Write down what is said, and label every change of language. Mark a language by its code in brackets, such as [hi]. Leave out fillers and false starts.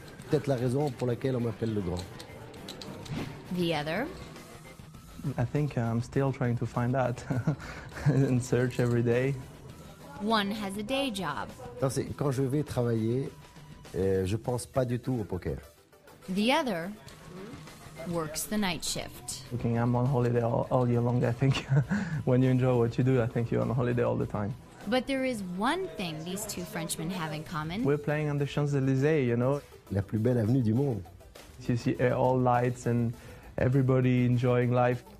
[fr] Peut-être la raison pour laquelle on m'appelle le grand. [en] The other? I think I'm still trying to find out in search every day. One has a day job. [fr] Quand je vais travailler, je pense pas du tout au poker. [en] The other works the night shift. Looking, I'm on holiday all year long, I think. When you enjoy what you do, I think you're on holiday all the time. But there is one thing these two Frenchmen have in common. We're playing on the Champs-Élysées, you know. [fr] La plus belle avenue du monde. [en] You see all lights and everybody enjoying life.